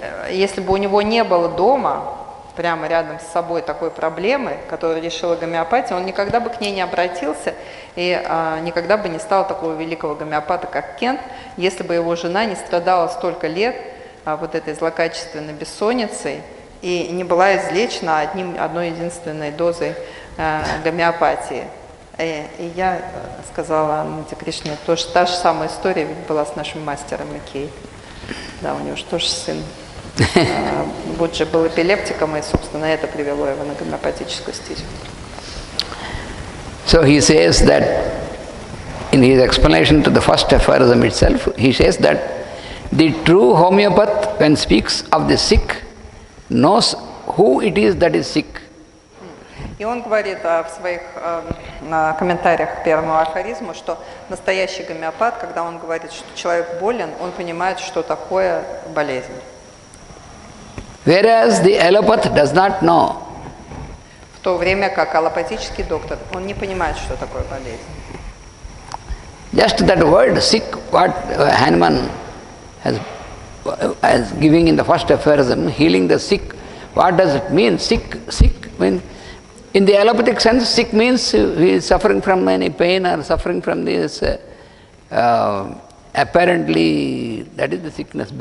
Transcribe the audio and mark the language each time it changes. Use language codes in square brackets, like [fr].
[ru] Если бы у него не было дома, прямо рядом с собой такой проблемы, которую решила гомеопатия, он никогда бы к ней не обратился и никогда бы не стал такого великого гомеопата, как Кент, если бы его жена не страдала столько лет вот этой злокачественной бессонницей и не была излечена одной единственной дозой гомеопатии. И я сказала Ананте Кришне, тоже та же самая история ведь была с нашим мастером Икей. Да, у него же тоже сын Буджи был эпилептиком, и, собственно, это привело его на гомеопатическую стезю. [en] So he says that in his explanation to the first aphorism itself, he says that the true homeopath, when speaks of the sick, knows who it is that is sick. [ru] И он говорит в своих комментариях к первому афоризму, что настоящий гомеопат, когда он говорит, что человек болен, он понимает, что такое болезнь. [en] Whereas the allopath does not know. [ru] В то время как аллопатический доктор, он не понимает, что такое болезнь. [en] Just that word sick, what Hanuman has given in the first aphorism, healing the sick, what does it mean? Sick means, in the allopathic sense, sick means he is suffering from any pain or suffering from this apparently that is the sickness.